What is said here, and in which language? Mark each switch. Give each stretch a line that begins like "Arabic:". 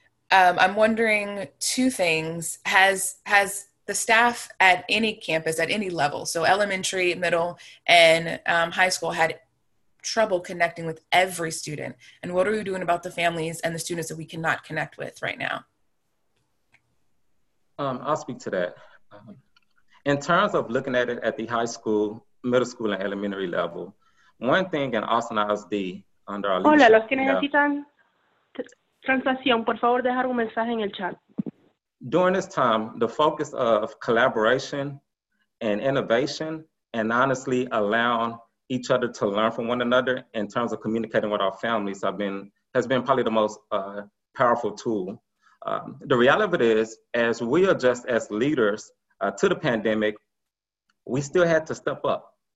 English: I'm wondering two things. Has the staff at any campus, at any level, so elementary, middle, and high school, had trouble connecting with every student? And what are we doing about the families and the students that we cannot connect with right now? I'll speak to that. In terms of looking at it at the high school, middle school, and elementary level, one thing in Austin ISD under our leadership...
Spanish: Hola, los que necesitan translación, por favor, dejar un mensaje en el chat.
English: during this time, the focus of collaboration and innovation and honestly allowing each other to learn from one another in terms of communicating with our families has been probably the most powerful tool. The reality is, as we adjust as leaders to the pandemic, we still had to step up.